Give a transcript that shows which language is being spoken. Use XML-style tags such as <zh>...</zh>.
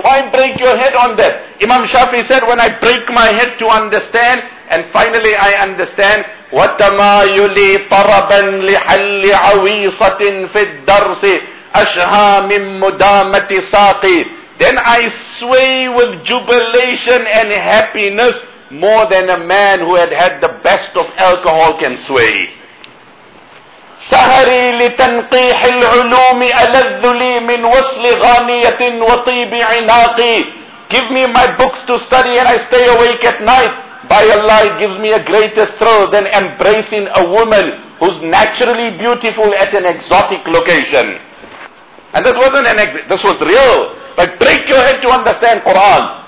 <en>Why break your head on that? Imam Shafi said, when I break my head to understand, and finally I understand,</en> <ar>وَتَمَا يُلِي طَرَبًا لِحَلِّ عَوِيصَةٍ فِي الدَّرْسِ أَشْهَى مِن مُدَامَةِ سَاقِي.</ar> <en>Then I sway with jubilation and happiness more than a man who had the best of alcohol can sway.</en> <ar>سهري لتنقيح العلوم ألذ لي من وصل غانية وطيب عناقي.</ar> <en>Give me my books to study and I stay awake at night. By Allah, it gives me a greater thrill than embracing a woman who's naturally beautiful at an exotic location. And this wasn't this was real. But break your head to understand Quran.</en>